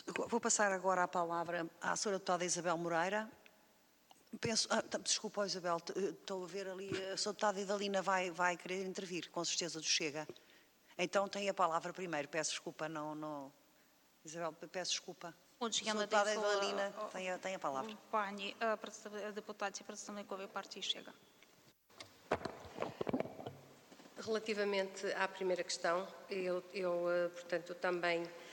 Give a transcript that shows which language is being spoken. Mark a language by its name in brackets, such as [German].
[Portuguese] Vou passar agora a palavra à senhora deputada Isabel Moreira. Desculpa, Isabel, estou a ver ali, a sua deputada Idalina vai querer intervir, com certeza do Chega. Então tem a palavra primeiro, peço desculpa, não... Isabel, peço desculpa. [Ukrainian] Отже, я надаю Ідаліна, [Portuguese] тем а palavra. [Ukrainian] Пані депутатці представникові партії Chega. [Portuguese] Relativamente à primeira questão, eu portanto, também...